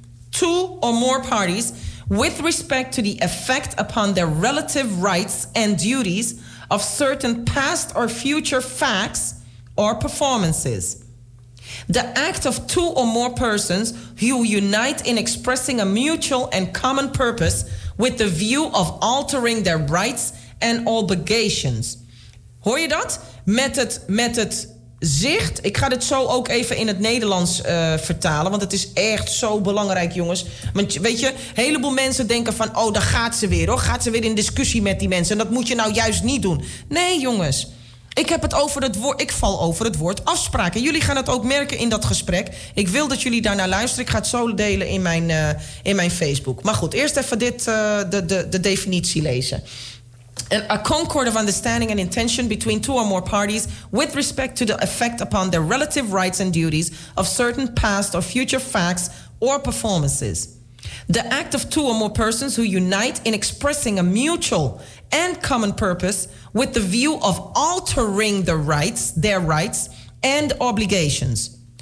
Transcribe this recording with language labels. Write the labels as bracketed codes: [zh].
[en] Two or more parties with respect to the effect upon their relative rights and duties of certain past or future facts or performances. The act of two or more persons who unite in expressing a mutual and common purpose with the view of altering their rights and obligations. [nl] Hoor je dat? Met het zicht. Ik ga dit zo ook even in het Nederlands vertalen, want het is echt zo belangrijk, jongens. Want weet je, een heleboel mensen denken van, oh, daar gaat ze weer, hoor. Gaat ze weer in discussie met die mensen. En dat moet je nou juist niet doen. Nee, jongens. Ik heb het over het woord. Ik val over het woord afspraken. Jullie gaan het ook merken in dat gesprek. Ik wil dat jullie daarnaar luisteren. Ik ga het zo delen in mijn Facebook. Maar goed, eerst even dit de definitie lezen. [en] A concord of understanding and intention between two or more parties with respect to the effect upon their relative rights and duties of certain past or future facts or performances. The act of two or more persons who unite in expressing a mutual and common purpose with the view of altering the rights, their rights and obligations.